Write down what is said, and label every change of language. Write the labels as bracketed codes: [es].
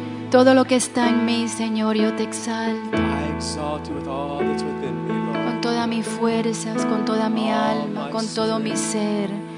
[es] Todo lo que está en mí, Señor, yo te exalto. [en] I exalt you with all that's within me, Lord. [es] Con todas mis fuerzas, con toda mi alma, con todo mi ser.